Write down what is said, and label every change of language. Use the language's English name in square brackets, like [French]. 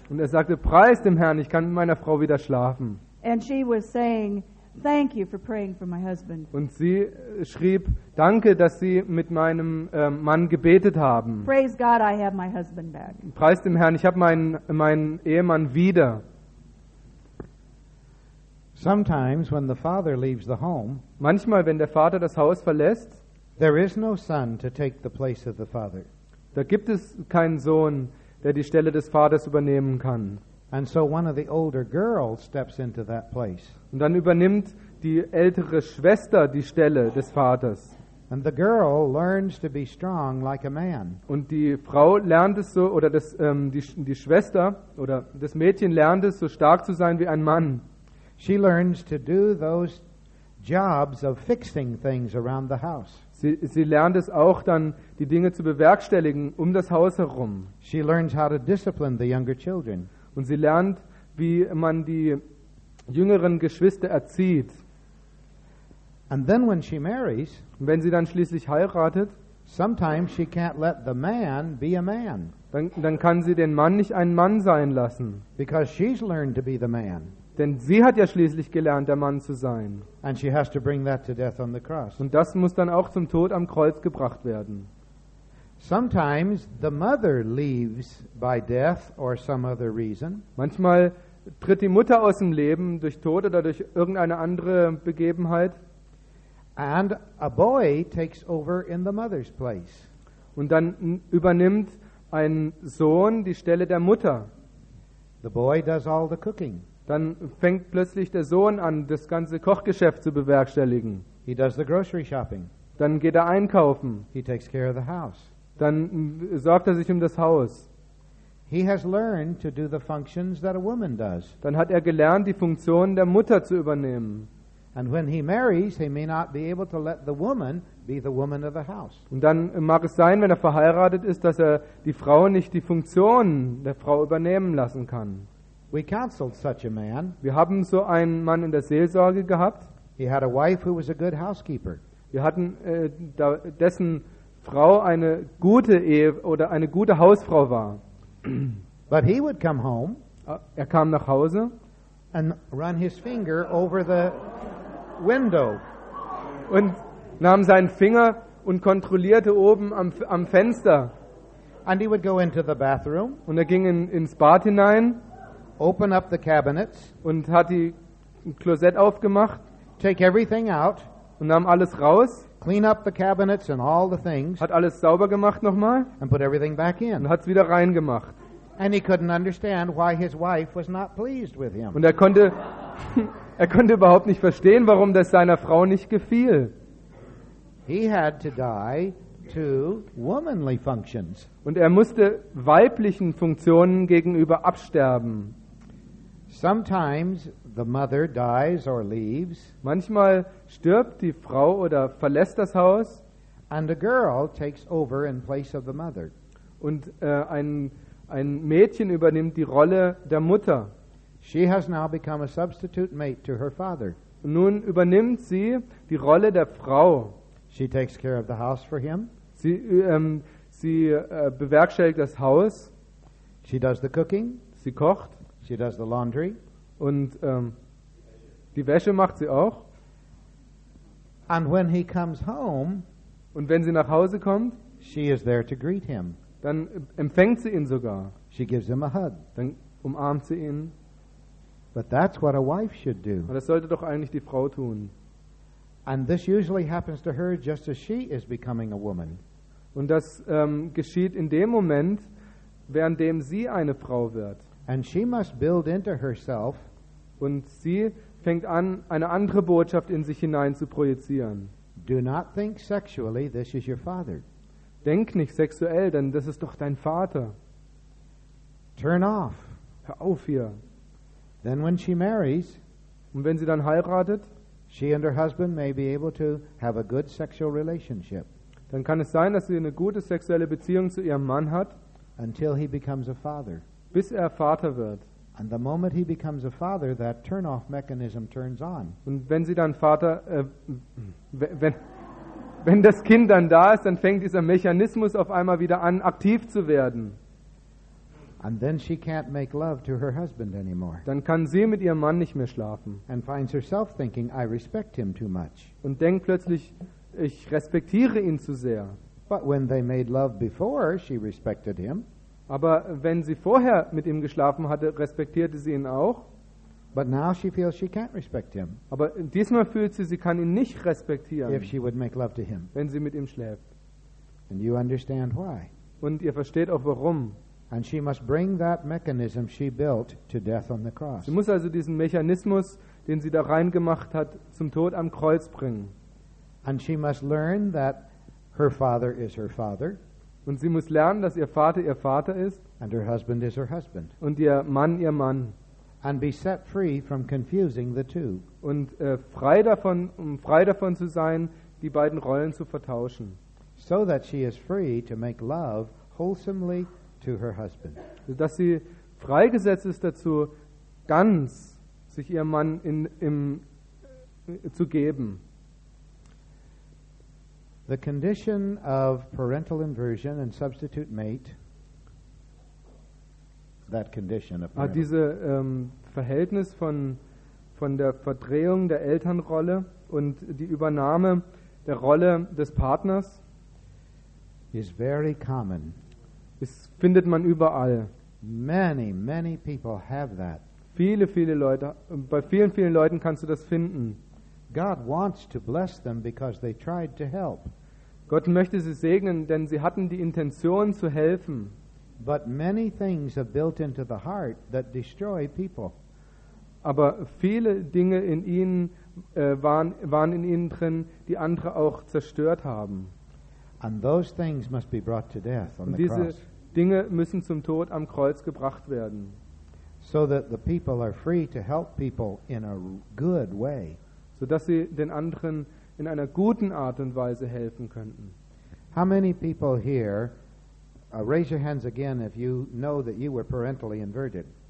[German] Und er sagte, preis dem Herrn, ich kann mit meiner Frau wieder schlafen. [English] And she was saying, "Thank you for praying for my husband." [German] Und sie schrieb, danke, dass Sie mit meinem Mann gebetet haben. [English] Praise God, I have my husband back. [German] Preis dem Herrn, ich habe meinen Ehemann wieder. [English] Sometimes when the father leaves the home, [German] manchmal wenn der Vater das Haus verlässt, [English] there is no son to take the place of the father. [German] Da gibt es keinen Sohn, der die Stelle des Vaters übernehmen kann. [English] And so one of the older girls steps into that place. [German] Und dann übernimmt die ältere Schwester die Stelle des Vaters. [English] And the girl learns to be strong like a man. [German] Und die Frau lernt es so, oder das die Schwester oder das Mädchen lernt es, so stark zu sein wie ein Mann. [English] She learns to do those jobs of fixing things around the house. [German] Sie lernt es auch dann, die Dinge zu bewerkstelligen um das Haus herum. [English] She learns how to discipline the younger children. [German] Und sie lernt, wie man die jüngeren Geschwister erzieht. [English] And then when she marries, [German] wenn sie dann schließlich heiratet, [English] Sometimes she can't let the man be a man. [German] Dann kann sie den Mann nicht einen Mann sein lassen. [English] Because she's learned to be the man. [German] Denn sie hat ja schließlich gelernt, der Mann zu sein. [English] And she has to bring that to death on the cross. [German] Und das muss dann auch zum Tod am Kreuz gebracht werden. [English] Sometimes the mother leaves by death or some other reason. [German] Manchmal tritt die Mutter aus dem Leben durch Tod oder durch irgendeine andere Begebenheit. [English] And a boy takes over in the mother's place. [German] Und dann übernimmt ein Sohn die Stelle der Mutter. [English] The boy does all the cooking. [German] Dann fängt plötzlich der Sohn an, das ganze Kochgeschäft zu bewerkstelligen. [English] He does the grocery shopping. [German] Dann geht er einkaufen. [English] He takes care of the house. [German] Dann sorgt er sich um das Haus. [English] He has learned to do the functions that a woman does. [German] Dann hat er gelernt, die Funktionen der Mutter zu übernehmen. [English] And when he marries, he may not be able to let the woman be the woman of the house. [German] Und dann mag es sein, wenn er verheiratet ist, dass er die Frau nicht die Funktionen der Frau übernehmen lassen kann. [English] We counseled such a man. [German] Wir haben so einen Mann in der Seelsorge gehabt. [English] He had a wife who was a good housekeeper. [German] Wir hatten dessen Frau eine gute Ehe oder eine gute Hausfrau war. [English] But he would come home. [German] Er kam nach Hause. [English] And run his finger over the window. [German] Und nahm seinen Finger und kontrollierte oben am Fenster. [English] And he would go into the bathroom. [German] Und er ging ins Bad hinein. [English] Open up the cabinets. [German] Und hat die Klosett aufgemacht. [English] Take everything out. [German] Und nahm alles raus. [English] Clean up the cabinets and all the things. [German] Hat alles sauber gemacht nochmal. [English] And put everything back in. [German] Und hat's wieder reingemacht. [English] And he couldn't understand why his wife was not pleased with him. [German] Und er konnte überhaupt nicht verstehen, warum das seiner Frau nicht gefiel. [English] He had to die to womanly functions. [German] Und er musste weiblichen Funktionen gegenüber absterben. [English] Sometimes the mother dies or leaves. [German] Manchmal stirbt die Frau oder verlässt das Haus. [English] And a girl takes over in place of the mother. [German] Und ein Mädchen übernimmt die Rolle der Mutter. [English] She has now become a substitute mate to her father. [German] Nun übernimmt sie die Rolle der Frau. [English] She takes care of the house for him. [German] Sie bewerkstelligt das Haus. [English] She does the cooking. [German] Sie kocht. [English] She does the laundry. [German] Und die Wäsche macht sie auch. [English] And when he comes home, [German] und wenn sie nach Hause kommt, [English] she is there to greet him. [German] Dann empfängt sie ihn sogar. [English] She gives him a hug. [German] Dann umarmt sie ihn. [English] But that's what a wife should do. [German] Und das sollte doch eigentlich die Frau tun. [English] And this usually happens to her just as she is becoming a woman. [German] Und das geschieht in dem Moment, währenddem sie eine Frau wird. [English] And she must build into herself. [German] Und sie fängt an, eine andere Botschaft in sich hinein zu projizieren. [English] Do not think sexually, this is your father. [German] Denk nicht sexuell, denn das ist doch dein Vater. [English] Turn off. [German] Hör auf hier. [English] Then when she marries, [German] und wenn sie dann heiratet, [English] she and her husband may be able to have a good sexual relationship. [German] Dann kann es sein, dass sie eine gute sexuelle Beziehung zu ihrem Mann hat. [English] Until he becomes a father. [German] Bis er Vater wird. [English] And the moment he becomes a father, that turn-off mechanism turns on. [German] Und wenn sie dann Vater, wenn das Kind dann da ist, dann fängt dieser Mechanismus auf einmal wieder an, aktiv zu werden. [English] And then she can't make love to her husband anymore. [German] Dann kann sie mit ihrem Mann nicht mehr schlafen. [English] And finds herself thinking, I respect him too much. [German] Und denkt plötzlich, ich respektiere ihn zu sehr. [English] But when they made love before, she respected him. [German] Aber wenn sie vorher mit ihm geschlafen hatte, respektierte sie ihn auch. [English] But now she feels she can't respect him. [German] Aber diesmal fühlt sie kann ihn nicht respektieren. [English] If she would make love to him. [German] Wenn sie mit ihm schläft. [English] And you understand why. [German] Und ihr versteht auch warum. [English] And she must bring that mechanism she built to death on the cross. [German] Sie muss also diesen Mechanismus, den sie da reingemacht hat, zum Tod am Kreuz bringen. [English] And she must learn that her father is her father. [German] Und sie muss lernen, dass ihr Vater ist. [English] And her husband is her husband. [German] Und ihr Mann ihr Mann. [English] And be set free from confusing the two. [German] Und frei davon zu sein, die beiden Rollen zu vertauschen. [English] So that she is free to make love wholesomely to her husband. [German] Dass sie freigesetzt ist dazu, ganz sich ihrem Mann zu geben. [English] The condition of parental inversion and substitute mate, that condition of parental. [German] Diese Verhältnis von der Verdrehung der Elternrolle und die Übernahme der Rolle des Partners [English] is very common. [German] Es findet man überall. [English] Many, many people have that. [German] Viele, viele Leute, bei vielen, vielen Leuten kannst du das finden. [English] God wants to bless them because they tried to help. [German] Gott möchte sie segnen, denn sie hatten die Intention zu helfen. [English] But many things are built into the heart that destroy people. [German] Aber viele Dinge in ihnen waren in ihnen drin, die andere auch zerstört haben. [English] And those things must be brought to death on the cross. [German] Dinge müssen zum Tod am Kreuz gebracht werden. [English] So that the people are free to help people in a good way. [German] So dass sie den anderen in einer guten Art und Weise helfen könnten. [English] How many people here, raise your hands again if you know that you were parentally inverted.